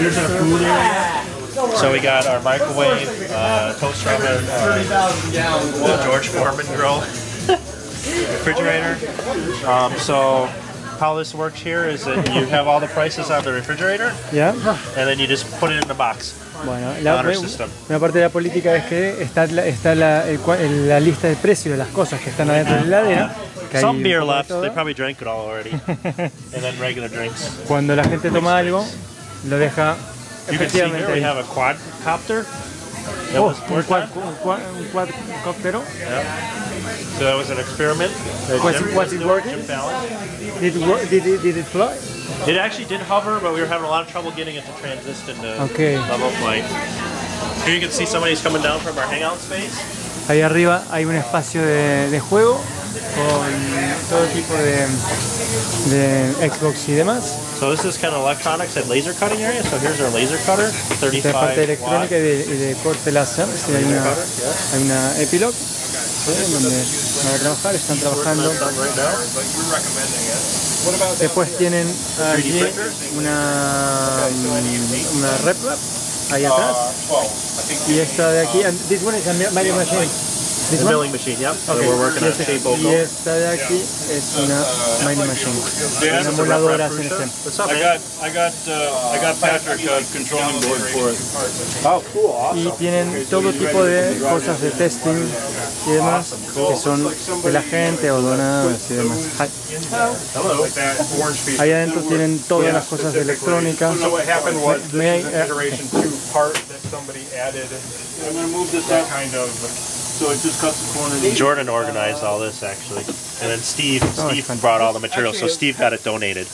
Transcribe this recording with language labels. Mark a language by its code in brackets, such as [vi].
[en] here. So we got our microwave, toaster oven, the George Foreman grill, refrigerator. So how this works here is that you have all the prices on the refrigerator. Yeah. And then you just put it in the box. [es] Bueno, una parte de la política es que está la lista de precios de las cosas que están adentro de la heladera. [en] Some beer left, they probably drank it all already. And then regular drinks. [es] Cuando la gente toma algo, lo deja. [en] You can see here we have a quadcopter. [es] Un quadcopter. [en] Yep. So that was an experiment. Was it working? Did it fly? It actually did hover, but we were having a lot of trouble getting it to transist into level flight. Here you can see somebody's coming down from our hangout space. [es] Ahí arriba hay un espacio de juego con todo tipo de Xbox y demás. [en] So this is kind of electronics and laser cutting area. So here's our laser cutter, 35 watts. [es] Esta parte electrónica de corte láser. Sí, hay una epilog donde van a trabajar, están trabajando. Después tienen aquí una replap ahí atrás. Y esta de aquí, [en] and this one is a milling machine. The milling machine, yep. Okay. So we're working on shape vocal. [es] Y esta de aquí es una mining machine. Dan, una moladora. [en] What's up, I got Patrick controlling board for it. Oh, cool, awesome. [es] Y tienen [en] okay, so [es] todo tipo de cosas de testing y demás, [en] awesome, cool, [es] que son like de la gente o donadas y demás. [en] Hi. Hello. [es] Ahí adentro tienen todas las cosas de electrónica. [en] So what happened was, this is an iteration 2 part that somebody added. I'm going to move this up. Kind of... So it just cuts. Jordan organized all this actually, and then Steve brought all the material, so Steve got it donated.